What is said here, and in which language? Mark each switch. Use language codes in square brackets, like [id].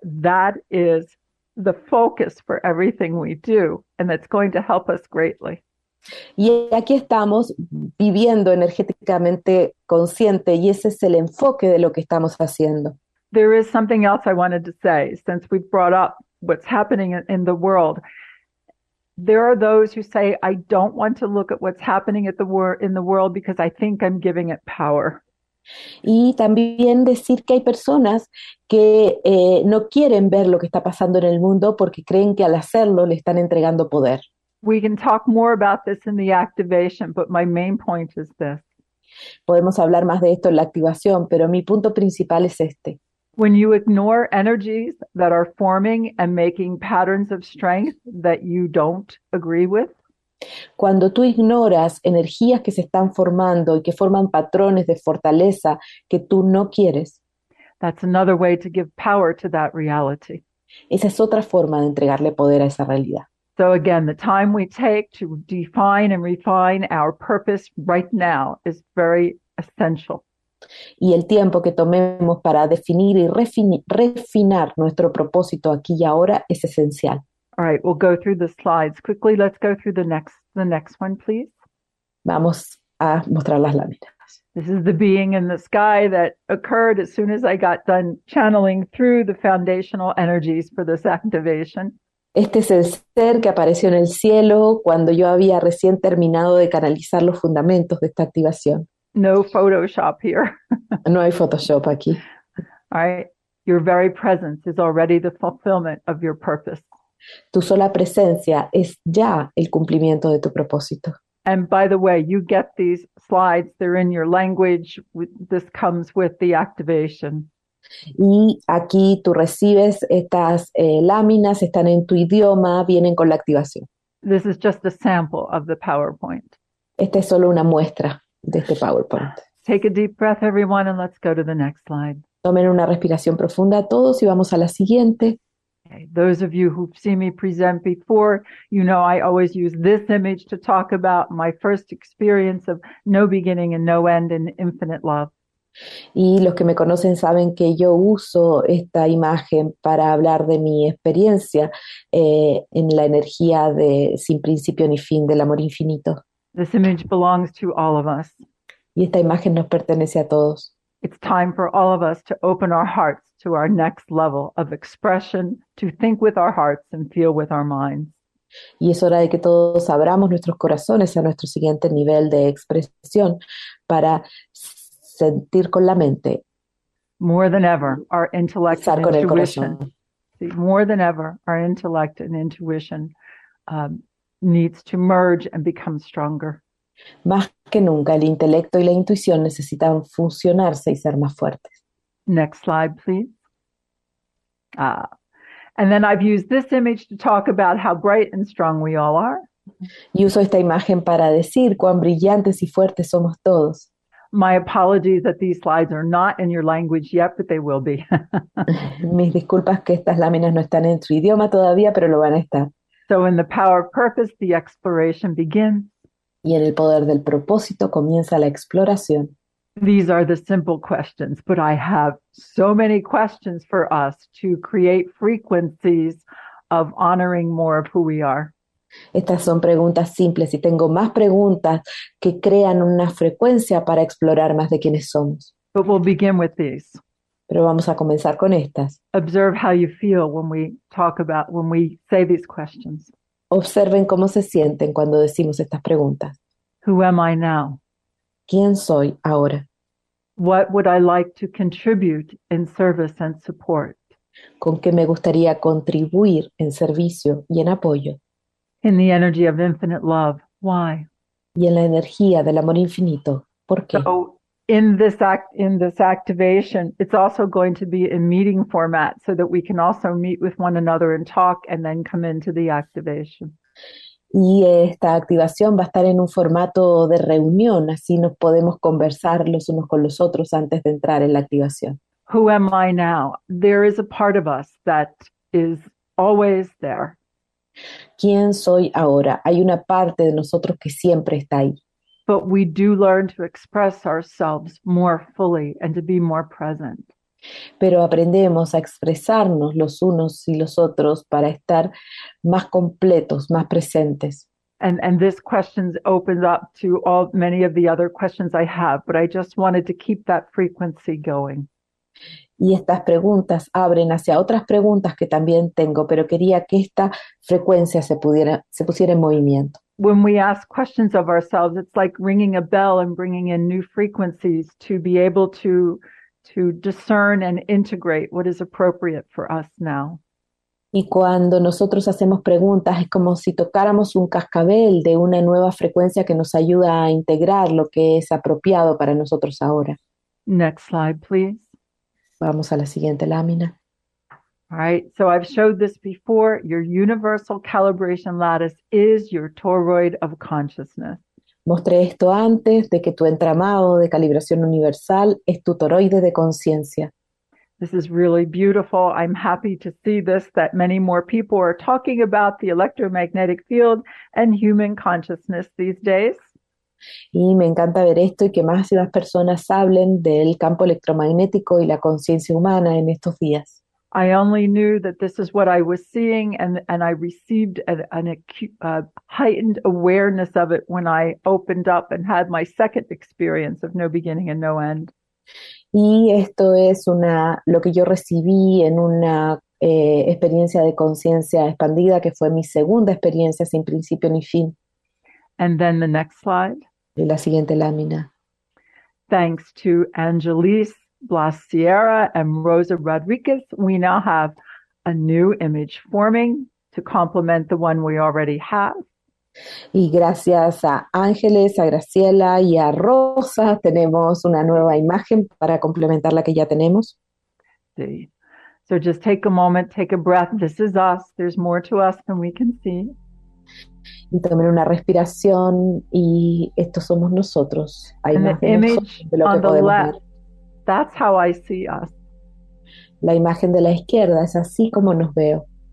[en] That is the focus for everything we do, and that's going to help us greatly. [es] Y aquí estamos viviendo energéticamente consciente, y ese es el enfoque de lo que estamos haciendo. [en] There is something else I wanted to say, since we've brought up what's happening in the world. There are those who say, I don't want to look at what's happening at the in the world because I think I'm giving it power. [es] Y también decir que hay personas que no quieren ver lo que está pasando en el mundo porque creen que al hacerlo le están entregando poder. [en] We can talk more about this in the activation, but my main point is this. [es] Podemos hablar más de esto en la activación, pero mi punto principal es este. [en] When you ignore energies that are forming and making patterns of strength that you don't agree with, [es] cuando tú ignoras energías que se están formando y que forman patrones de fortaleza que tú no quieres, [en] that's another way to give power to that reality. [es] Esa es otra forma de entregarle poder a esa realidad. [en] So again, the time we take to define and refine our purpose right now is very essential. [es] Y el tiempo que tomemos para definir y refinar nuestro propósito aquí y ahora es esencial. [en] All right, we'll go through the slides quickly. Let's go through the next one, please. [es] Vamos a mostrar las láminas. [en] This is the being in the sky that occurred as soon as I got done channeling through the foundational energies for this activation. [es] Este es el ser que apareció en el cielo cuando yo había recién terminado de canalizar los fundamentos de esta activación. [en] No Photoshop here. [es] No hay Photoshop aquí. [en] All right. Your very presence is already the fulfillment of your purpose. [es] Tu sola presencia es ya el cumplimiento de tu propósito. [en] And by the way, you get these slides. They're in your language. This comes with the activation. [es] Y aquí tú recibes estas láminas. Están en tu idioma. Vienen con la activación. [en] This is just a sample of the PowerPoint. [es] Esta es solo una muestra de este PowerPoint. [en] Take a deep breath, everyone, and let's go to the next slide. [es] Tomen una respiración profunda a todos y vamos a la siguiente. [en] Okay. Those of you who've seen me present before, you know I always use this image to talk about my first experience of no beginning and no end and infinite love. [es] Y los que me conocen saben que yo uso esta imagen para hablar de mi experiencia en la energía de sin principio ni fin, del amor infinito. [en] This image belongs to all of us. [es] Y esta imagen nos pertenece a todos. [en] It's time for all of us to open our hearts to our next level of expression, to think with our hearts and feel with our minds. [es] Y es hora de que todos abramos nuestros corazones a nuestro siguiente nivel de expresión para sentir con la mente. [en] More than ever, our intellect and intuition. [es] Estar con el corazón. [en] See, more than ever, our intellect and intuition needs to merge and become stronger. [es] Más que nunca, el intelecto y la intuición necesitan fusionarse y ser más fuertes. [en] Next slide, please. And then I've used this image to talk about how bright and strong we all are. [es] Y uso esta imagen para decir cuán brillantes y fuertes somos todos. [en] My apologies that these slides are not in your language yet, but they will be. [es] Mis disculpas que estas láminas no están en su idioma todavía, pero lo van a estar. [en] So in the power of purpose, the exploration begins. [es] Y en el poder del propósito comienza la exploración. [en] These are the simple questions, but I have so many questions for us to create frequencies of honoring more of who we are. [es] Estas son preguntas simples y tengo más preguntas que crean una frecuencia para explorar más de quiénes somos. [en] But we'll begin with these. [es] Pero vamos a comenzar con estas. [en] Observe how you feel when we talk about, when we say these questions. [es] Observen cómo se sienten cuando decimos estas preguntas. [en] Who am I now? [es] ¿Quién soy ahora? [en] What would I like to contribute in service and support? [es] ¿Con qué me gustaría contribuir en servicio y en apoyo? [en] In the energy of infinite love, why? [es] Y en la energía del amor infinito, ¿por qué? [en] So in this activation, it's also going to be in meeting format so that we can also meet with one another and talk and then come into the activation. [es] Y esta activación va a estar en un formato de reunión, así nos podemos conversar los unos con los otros antes de entrar en la activación. [en] Who am I now? There is a part of us that is always there. [es] ¿Quién soy ahora? Hay una parte de nosotros que siempre está ahí. [en] But we do learn to express ourselves more fully and to be more present. [es] Pero aprendemos a expresarnos los unos y los otros para estar más completos, más presentes. [en] And this question opens up to all many of the other questions I have, but I just wanted to keep that frequency going. [es] Y estas preguntas abren hacia otras preguntas que también tengo, pero quería que esta frecuencia se pusiera en movimiento. [en] When we ask questions of ourselves, it's like ringing a bell and bringing in new frequencies to be able to discern and integrate what is appropriate for us now. [es] Y cuando nosotros hacemos preguntas, es como si tocáramos un cascabel de una nueva frecuencia que nos ayuda a integrar lo que es apropiado para nosotros ahora. [en] Next slide, please. [es] Vamos a la siguiente lámina. [en] All right, so I've showed this before. Your universal calibration lattice is your toroid of consciousness. [es] Mostré esto antes, de que tu entramado de calibración universal es tu toroide de conciencia. [en] This is really beautiful. I'm happy to see this, that many more people are talking about the electromagnetic field and human consciousness these days. [es] Y me encanta ver esto y que más y más personas hablen del campo electromagnético y la conciencia humana en estos días. [en] I only knew that this is what I was seeing, and I received a heightened awareness of it when I opened up and had my second experience of no beginning and no end. [es] Y esto es una lo que yo recibí en una experiencia de conciencia expandida, que fue mi segunda experiencia sin principio ni fin. [en] And then the next slide. [es] Y la siguiente lámina. [en] Thanks to Angelis Blas Sierra and Rosa Rodriguez, we now have a new image forming to complement the one we already have. [es] Y gracias a Ángeles, a Graciela y a Rosa, tenemos una nueva imagen para complementar la que ya tenemos. [en] Sí. So just take a moment, take a breath. This is us. There's more to us than we can see. [es] Y tomen una respiración y estos somos nosotros. Hay [en] and [es] más [en] the image [es] de lo que [en] on the [es] podemos [en] left, [es] ver. [en] That's how I see us. [es] La imagen de la izquierda es así como nos veo.